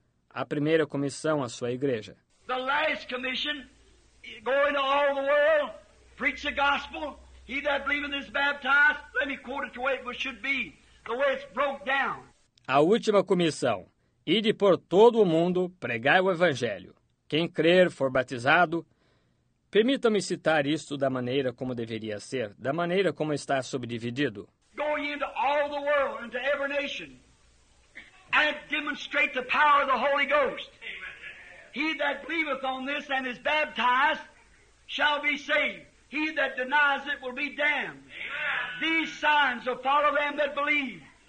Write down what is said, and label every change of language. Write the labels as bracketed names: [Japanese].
[Portuguese] A primeira comissão à sua igreja. [English] The last commission, go into all the world, preach the gospel. He that believeth is baptized. Let me quote it the way it should be, the way it's broke down. [Portuguese] A última comissão, ide por todo o mundo, pregai o evangelho. Quem crer, for batizado. Permita-me citar isto da maneira como deveria ser, da maneira como está subdividido. [English] Go into all the world, into every nation. And demonstrate the power of the Holy Ghost. He that believeth on this and is baptized shall be saved. He that denies it will be damned. These signs will follow them that believe.